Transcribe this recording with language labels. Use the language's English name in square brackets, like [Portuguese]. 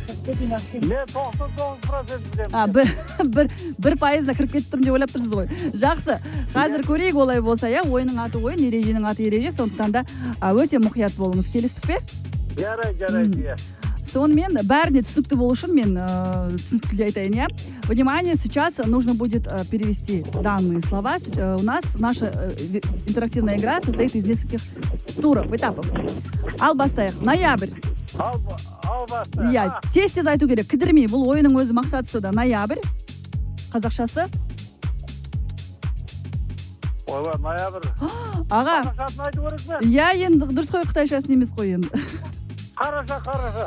[Kazakh] Бір пайызда кіріп кетіп тұрмын деп ойлап тұрсыз ғой. Жақсы, қазір көрейік олай болса, иә, ойының аты ойын, ереженің аты ереже, сондықтан да өте мұқият болыңыз, келістік пе? Жарайды, иә. Сонымен бәріне түсінікті болу үшін мен түсініктіле айтайын, иә. [Russian] Внимание, сейчас нужно будет перевести данные слова. У нас наша интерактивная игра состоит из нескольких туров, этапов. [Kazakh] Ал бастайық, ноябрь. Албасты. Иә, тез айту керек. Кідірмей, бұл ойының өзі мақсаты сода. Ноябрь. Қазақшасы. Ойбай, ноябрь. Ага. Қарашасын айтып отырсыз ба? Я енді дұрыс қой, қытайшасын емес қой енді. Қараша, қараша.